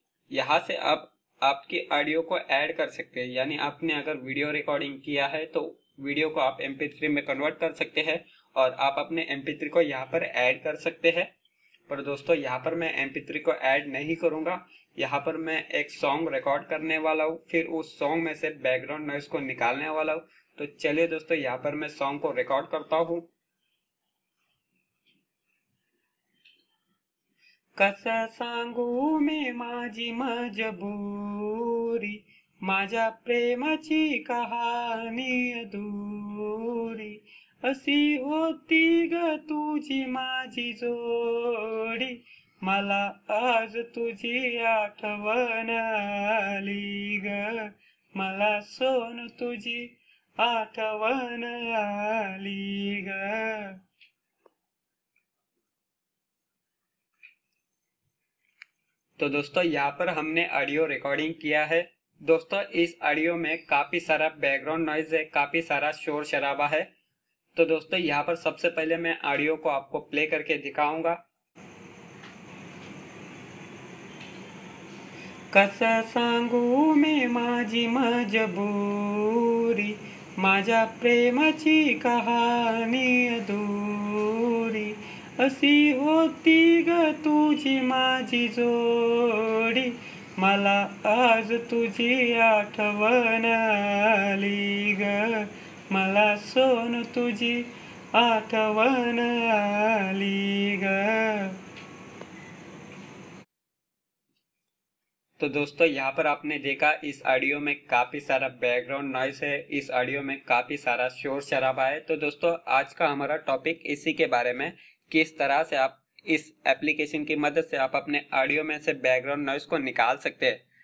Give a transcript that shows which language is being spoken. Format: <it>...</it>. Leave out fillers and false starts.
<hi>यहाँ से आप आपकी ऑडियो को ऐड कर सकते हैं, यानी आपने अगर वीडियो रिकॉर्डिंग किया है तो वीडियो को आप MP3 में कन्वर्ट कर सकते हैं और आप अपने MP3 को यहाँ पर ऐड कर सकते हैं। पर दोस्तों, यहाँ पर मैं MP3 को ऐड नहीं करूँगा। यहाँ पर मैं एक सॉन्ग रिकॉर्ड करने वाला हूँ, फिर उस सॉन्ग में से बैकग्राउंड नॉइस को निकालने वाला हूँ। तो चलिए दोस्तों, यहाँ पर मैं सॉन्ग को रिकॉर्ड करता हूँ।</hi> <mr>कसा सांगू मी माझी मजबूरी, माझ्या प्रेमाची कहानी अधूरी, अशी होती ग तुझी माझी जोडी, मला आज तुझी आठवण आली ग, मला सोन तुझी आठवण आली ग।</mr> <hi>तो दोस्तों, यहाँ पर हमने ऑडियो रिकॉर्डिंग किया है। दोस्तों, इस ऑडियो में काफी सारा बैकग्राउंड नॉइज है, काफी सारा शोर शराबा है। तो दोस्तों, यहाँ पर सबसे पहले मैं ऑडियो को आपको प्ले करके दिखाऊंगा।</hi> <mr>कस सांगू मी माझी मजबूरी, माझ्या प्रेमाची कहानी अधूरी, अशी होती ग तुझी माझी जोडी, मला आज तुझी आठवण आली ग, मला सोन तुझी आठवण आली ग।</mr> <hi>तो दोस्तों, यहाँ पर आपने देखा इस ऑडियो में काफी सारा बैकग्राउंड नॉइस है, इस ऑडियो में काफी सारा शोर शराबा है। तो दोस्तों, आज का हमारा टॉपिक इसी के बारे में, किस तरह से आप इस एप्लीकेशन की मदद से आप अपने ऑडियो में से बैकग्राउंड नॉइस को निकाल सकते हैं।</hi>